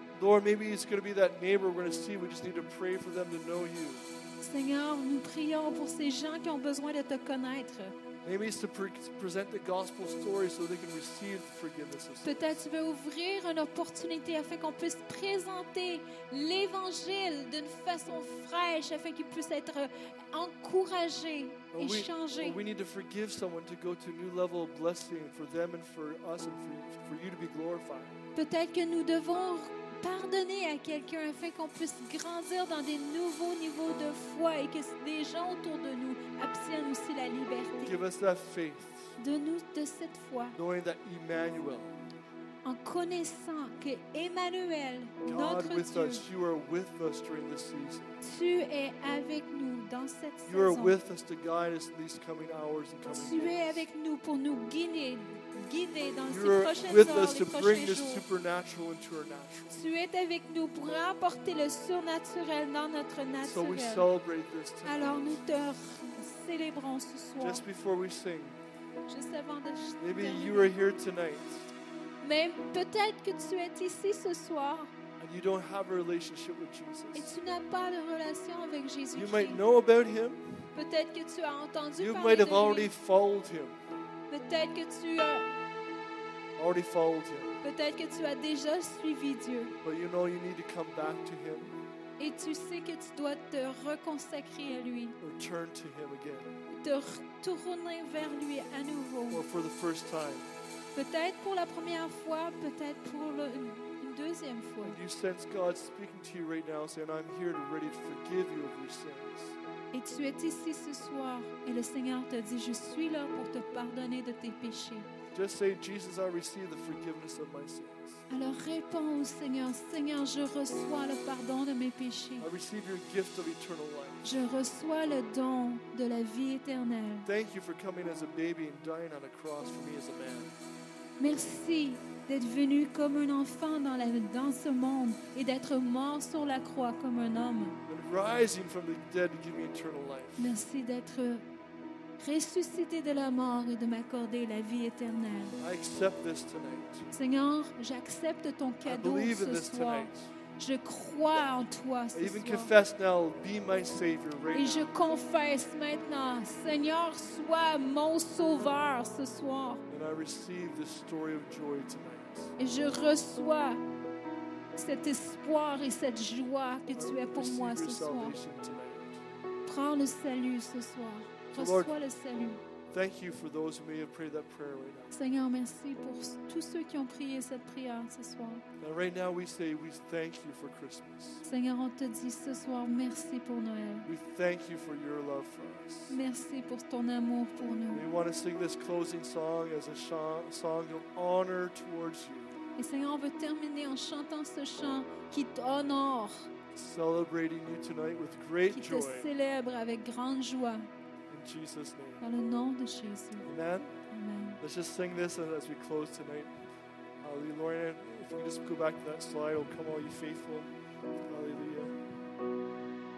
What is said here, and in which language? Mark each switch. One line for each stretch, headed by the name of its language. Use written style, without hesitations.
English: Lord, maybe it's going to be that neighbor we're going to see. We just need to pray for them to know you.
French: Seigneur, nous prions pour ces gens qui ont besoin de te connaître.
English: Maybe it's to present the gospel story so they can receive the forgiveness of sins.
French: Peut-être tu veux ouvrir une opportunité afin qu'on puisse présenter l'évangile d'une façon fraîche afin qu'ils puissent être encouragés et changés.
English: We need to forgive someone to go to a new level of blessing for them and for us and for you to be glorified.
French: Peut-être que nous devons pardonner à quelqu'un afin qu'on puisse grandir dans des nouveaux niveaux de foi et que des gens autour de nous obtiennent aussi la liberté.
English: Give us that faith.
French: Donne-nous de cette foi.
English: Knowing that Emmanuel,
French: en connaissant que Emmanuel, notre
English: with
French: Dieu,
English: us, you are with us during this season.
French: Tu es avec nous dans cette
English: you
French: saison.
English: You are with us to guide us in these coming hours and coming
French: tu
English: days.
French: Es avec nous pour nous guider.
English: You are with us to bring the supernatural into our natural.
French: Tu es avec nous pour apporter le surnaturel dans notre naturel.
English: So we celebrate this tonight.
French: Alors nous te célébrons ce soir.
English: Just before we sing.
French: Juste avant de chanter.
English: Maybe you are here tonight.
French: Mais peut-être que tu es ici ce soir.
English: And you don't have a relationship with Jesus.
French: Et tu n'as pas de relation avec Jésus.
English: You might know about him.
French: Peut-être que tu as entendu parler de lui.
English: You might have already followed him.
French: Peut-être que tu as
English: already followed him.
French: Peut-être que tu as déjà suivi Dieu.
English: But you know you need to come back to him.
French: Et tu sais que tu dois te reconsacrer à lui.
English: Return to him again.
French: Te retourner vers lui à nouveau.
English: Or for the first time.
French: Peut-être pour la première fois, peut-être pour une deuxième fois.
English: And you sense God speaking to you right now, saying, "I'm here and ready to forgive you of your sins."
French: Et tu es ici ce soir et le Seigneur te dit, je suis là pour te pardonner de tes péchés.
English: Just say, Jesus, I receive the forgiveness of my sins.
French: Alors réponds au Seigneur, Seigneur, je reçois le pardon de mes péchés.
English: I receive your gift of eternal life.
French: Je reçois le don de la vie éternelle.
English: Thank you for coming as a baby and dying on a cross for me as a man.
French: Merci d'être venu comme un enfant dans ce monde et d'être mort sur la croix comme un homme.
English: Rising from the dead to give me eternal life.
French: Merci d'être ressuscité de la mort et de m'accorder la vie éternelle.
English: I accept this tonight.
French: Seigneur, j'accepte ton cadeau ce soir.
English: I believe in this tonight.
French: Je crois en toi ce soir.
English: I even confess now, be my Savior right now.
French: Et je confesse maintenant, Seigneur, sois mon sauveur ce soir.
English: And I receive this story of joy tonight.
French: Et je reçois cet espoir et cette joie que tu es pour moi ce soir. Prends le salut ce soir. Reçois le salut.
English: Thank you for those who may have prayed that prayer right now.
French: Seigneur, merci pour tous ceux qui ont prié cette prière ce soir.
English: Now, right now we say we thank you for Christmas.
French: Seigneur, on te dit ce soir merci pour Noël.
English: We thank you for your love for us.
French: Merci pour ton amour pour nous.
English: We want to sing this closing song as a song of honor towards you.
French: Et Seigneur, on veut terminer en chantant ce chant qui t'honore.
English: Celebrating you tonight with great joy.
French: Qui te célèbre avec grande joie.
English: Jesus' name.
French: Dans le nom de Jésus.
English: Amen.
French: Amen.
English: Let's just sing this as we close tonight. Hallelujah. Lorna, if you can just go back to that slide, oh, come all you faithful. Hallelujah.